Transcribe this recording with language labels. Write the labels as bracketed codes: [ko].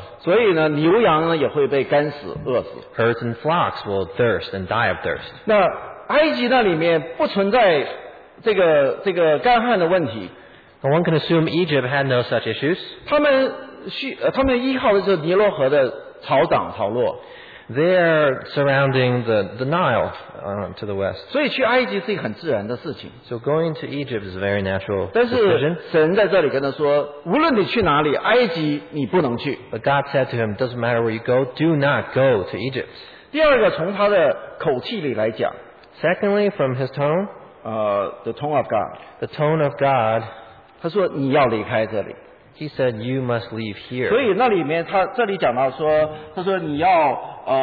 [zh] 所以呢，牛羊呢也会被干死、饿死。 [en] Herds and flocks will thirst and die of thirst. [zh] 那埃及那里面不存在这个干旱的问题。 [en] But one can assume Egypt had no such issues. [zh] 他们依靠的是尼罗河的潮涨潮落。 [en] They're surrounding the Nile, to the west. [zh] 所以去埃及是一个很自然的事情。 [en] So going to Egypt is a very natural decision. [zh] 但是神在这里跟他说，无论你去哪里，埃及你不能去。 [en] But God said to him, doesn't matter where you go, do not go to Egypt. [zh] 第二个，从他的口气里来讲。 [en] Secondly, from his tone, the tone of God. The tone of God. [zh] 他说你要离开这里。 [en] He said, you must leave here. [zh] 所以那里面他这里讲到说，他说你要。